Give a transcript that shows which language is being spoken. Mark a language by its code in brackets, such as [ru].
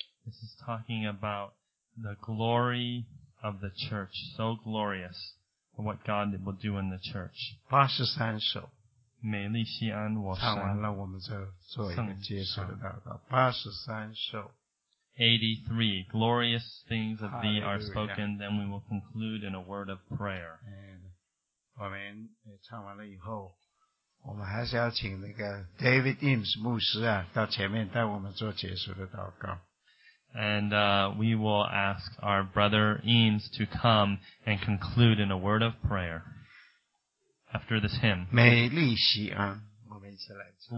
[en] This is talking about the glory of the church, so glorious what God will do in the church. [zh] 83首美丽西安我唱完了，我们就做一个结束的祷告。 83首 [en] 83 Glorious things of thee are spoken, then we will conclude in a word of prayer. [zh] 我们唱完了以后，我们还是要请那个 David Eames 牧师啊，到前面带我们做结束的祷告。 [en] And we will ask our brother Eames to come and conclude in a word of prayer. After this hymn. [zh] 美丽西安，我们一起来唱。